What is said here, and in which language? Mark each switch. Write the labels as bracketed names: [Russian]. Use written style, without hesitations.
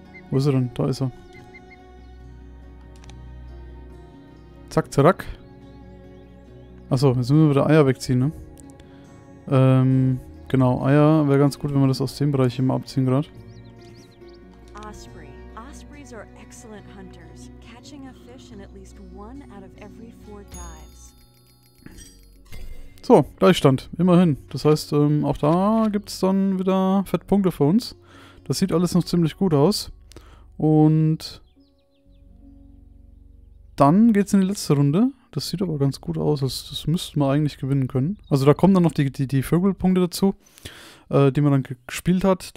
[German] Wo ist er denn? Da ist er. Zack, zack. Achso, jetzt müssen wir wieder Eier wegziehen, ne? Genau, Eier wäre ganz gut, wenn wir das aus dem Bereich hier mal abziehen gerade. [English] Osprey. Ospreys are excellent hunters, catching a fish in at least one out of every four dives. [German] So, Gleichstand. Immerhin. Das heißt, auch da gibt es dann wieder Fettpunkte für uns. Das sieht alles noch ziemlich gut aus. Und dann geht es in die letzte Runde. Das sieht aber ganz gut aus. Das müssten wir eigentlich gewinnen können. Also da kommen dann noch die Vögelpunkte dazu, die man dann gespielt hat.